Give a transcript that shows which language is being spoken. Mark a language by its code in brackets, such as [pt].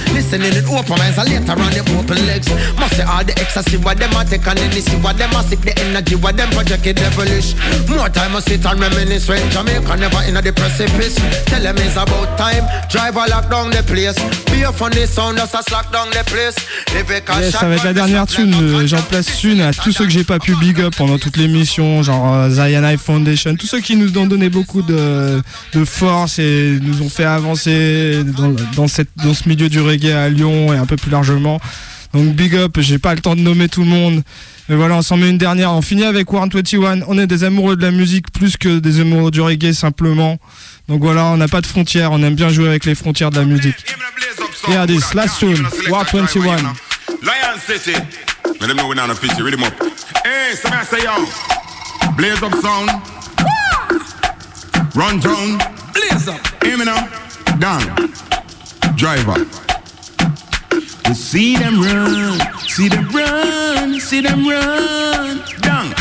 [en] Listening in open eyes, and later on them open legs. Must say all the ecstasy, what them are taking. And then see what them are sick, the energy, what them project it devilish. More time I sit and reminisce when Jamaica never in a the precipice. Tell them it's about time, driver lock down the place. Be a funny sound, just a slack down the place. [fr] Yes, ça va être la dernière tune, j'en place une à tous ceux que j'ai pas pu big up pendant toute l'émission, genre Zion Eye Foundation, tous ceux qui nous ont donné beaucoup de force et nous ont fait avancer dans ce milieu du reggae à Lyon et un peu plus largement. Donc big up, j'ai pas le temps de nommer tout le monde, mais voilà, on s'en met une dernière. On finit avec Warren 21, on est des amoureux de la musique plus que des amoureux du reggae simplement. Donc voilà, on n'a pas de frontières, on aime bien jouer avec les frontières de la musique. [en] Here it is, last tune, Warren 21. Lion City, let them know we're not a feature, read them up. Hey, somebody say yo, blaze up sound. Run down, blaze up. Eminem, down, driver. You see them run, see them run, see them run, down.